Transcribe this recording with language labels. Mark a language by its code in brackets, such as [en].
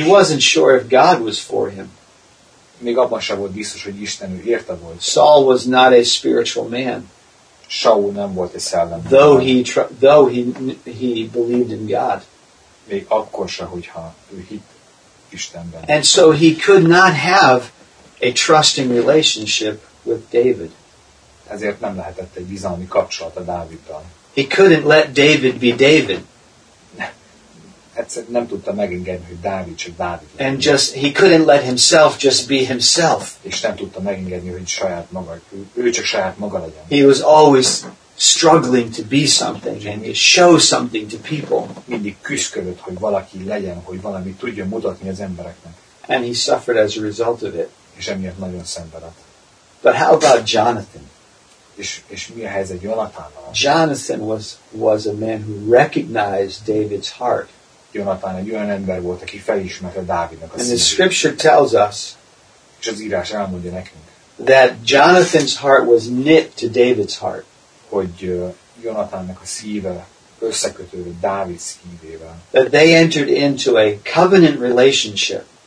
[en] He wasn't sure if God was for him. [hu] Még abban sem volt biztos, hogy Isten ő érte volt. [en] Saul was not a spiritual man. [hu] Saul nem volt egy szellemi. [en] Though he believed in God. [hu] Még akkor sem, hogyha ő hitt Istenben. [en] And so he could not have a trusting relationship with David. [hu] Ezért nem lehetett egy bizalmi kapcsolat a Dáviddal. [en] He couldn't let David be David. [hu] Egyszerűen nem tudta megengedni, hogy Dávid csak Dávid. [en] And just he couldn't let himself just be himself. [hu] És nem tudta megengedni, hogy saját maga, ő csak saját maga legyen. [en] He was always struggling to be something and to show something to people. [hu] Mindig küszködött, hogy valaki legyen, hogy valami tudjon mutatni az embereknek. [en] And he suffered as a result of it. [hu] És emiatt nagyon szenvedett. [en] But how about Jonathan? [hu] És mi a helyzet Jonathannal? [en] Jonathan was a man who recognized David's heart. [hu] Jonathan egy olyan ember volt, aki felismerte Dávidnak a szívét. [en] And the scripture tells us, [hu] és az írás elmondja nekünk, [en] that Jonathan's heart was knit to David's heart. [hu] Hogy Jonathannak a szíve összekötődött Dávid szívével. [en] That they entered into a covenant relationship.